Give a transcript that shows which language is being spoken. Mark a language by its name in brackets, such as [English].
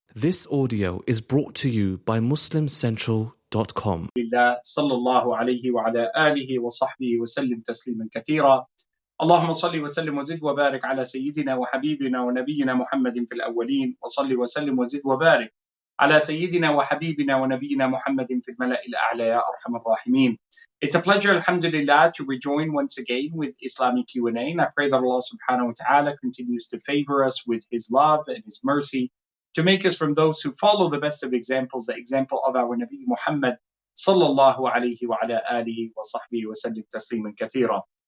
[English] This audio is brought to you by MuslimCentral.com. [Arabic] صلى الله عليه وعلى آله وصحبه وسلم تسليما كثيرا. اللهم صل وسلم وزد وبارك على سيدنا وحبيبنا ونبينا محمد في الأولين، وصل وسلم وزد وبارك على سيدنا وحبيبنا ونبينا محمد في الملأ الأعلى يا أرحم الراحمين. [English] It's a pleasure, alhamdulillah, to rejoin once again with Islamic Q&A. And I pray that Allah subhanahu wa ta'ala continues to favor us with His love and His mercy to make us from those who follow the best of examples, the example of our Nabi Muhammad sallallahu alayhi wa ala alihi wa sahbihi wa sallim tasliman kathira.